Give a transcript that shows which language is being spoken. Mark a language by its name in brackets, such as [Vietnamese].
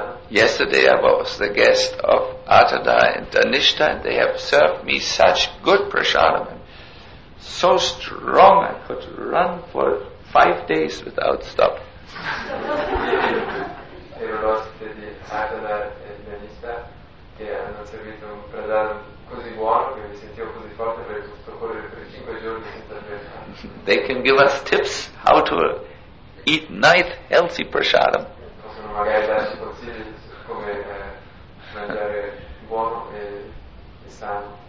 [English] Yesterday I was the guest of Atada and Danishta, and they have served me such good prasadam. So strong I could run for 5 days without stop. [Italian] Ero l'ospite di Atada e Danista che hanno servito un pradhan così buono che mi sentivo così forte per tutto correre per 5 giorni senza fermarmi. [English] They can give us tips how to eat nice healthy prasadam. [Italian] Possono magari darci consigli su come mangiare buono e sano.